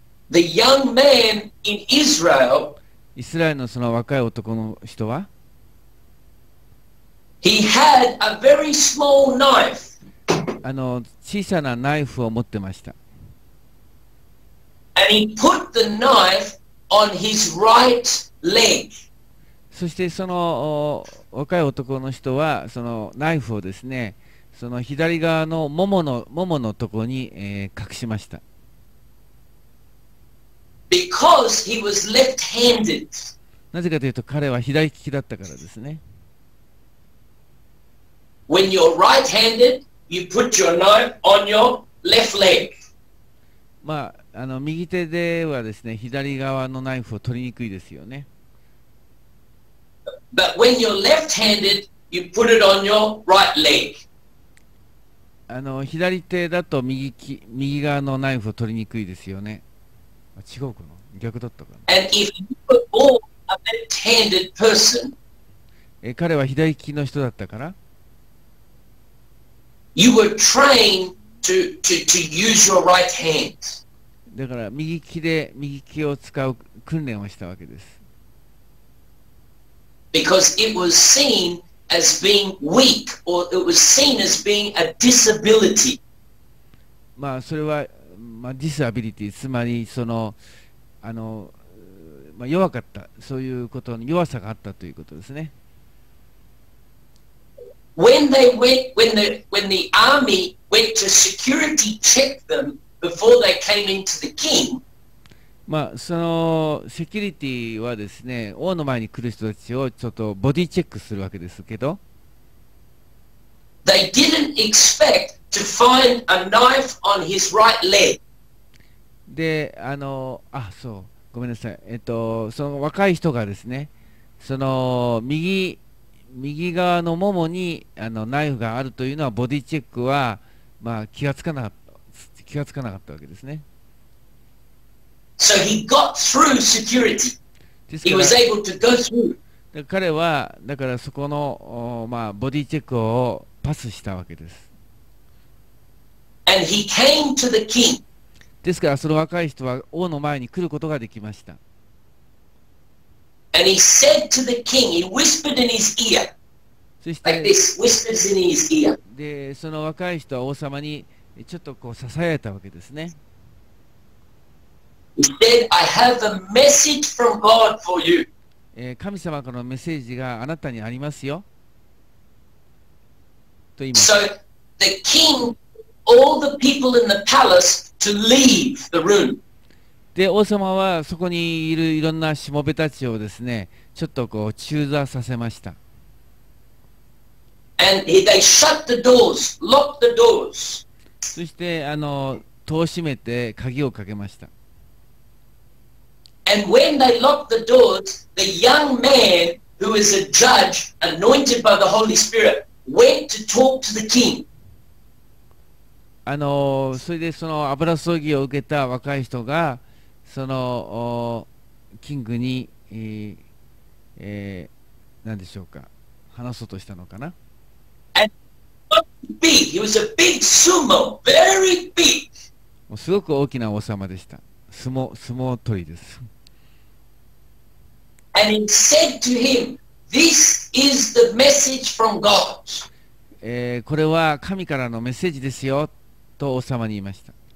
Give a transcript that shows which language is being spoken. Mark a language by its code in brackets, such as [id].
[en] the young man in Israel, [ja] イスラエルのその若い男の人は、 [en] He had a very small knife. [ja] 小さなナイフを持ってました。 [en] And he put the knife on his right leg. [ja] そしてその若い男の人はそのナイフをですね、その左側のもものところに、隠しました。 [en] Because he was left-handed. [ja] なぜかというと彼は左利きだったからですね。 [en] When you're right-handed, you put your knife on your left leg. [ja] まあ、右手ではですね、左側のナイフを取りにくいですよね。 [en] But when you're left-handed, you put it on your right leg. [ja] 左手だと右側のナイフを取りにくいですよね。あ、違うかな、逆だったかな。 [en] And if you were born a left-handed person, [ja] 彼は左利きの人だったから [en] You were trained to use your right hand. [ja] だから右利きで右利きを使う訓練をしたわけです。 [en] Because it was seen as being weak, or it was seen as being a disability. [ja] まあそれは、まあ、ディスアビリティ、つまりその、まあ、弱かった、そういうことの弱さがあったということですね。 [en] When the army went to security check them before they came into the king. [ja] まあ、そのセキュリティはですね、王の前に来る人たちをちょっとボディチェックするわけですけど、 [en] They didn't expect to find a knife on his right leg. [ja] で、あ、そう、ごめんなさい、その若い人がですね、その右側のももにナイフがあるというのは、ボディチェックは、まあ、気がつかなかったわけですね。 [en] So he got through security. He was able to go through. [ja] 彼はだからそこの、まあ、ボディチェックをパスしたわけです。 [en] And he came to the king. [ja] ですからその若い人は王の前に来ることができました。 [en] And he said to the king, he whispered in his ear. [ja] そして、 [en] like this, whispers in his ear. [ja] で、その若い人は王様にちょっとこう囁いたわけですね。 [en] He said, I have a message from God for you. [ja] 神様からのメッセージがあなたにありますよ。と言います [en] So the king, all the people in the palace to leave the room. [ja] で、王様はそこにいるいろんなしもべたちをですね、ちょっとこう中座させました。 [en] And they shut the doors, locked the doors. [ja] そして、戸を閉めて鍵をかけました。 [en] And when they locked the doors, the young man who is a judge, anointed by the Holy Spirit, went to talk to the king. [ja] それでその油注ぎを受けた若い人がそのキングに、何でしょうか、話そうとしたのかな。 [en] And he was a big sumo, very big. [ja] すごく大きな王様でした。相撲取りです。 [en] And he said to him, "This is the message from God." [ja] これは神からのメッセージですよと王様に言いました。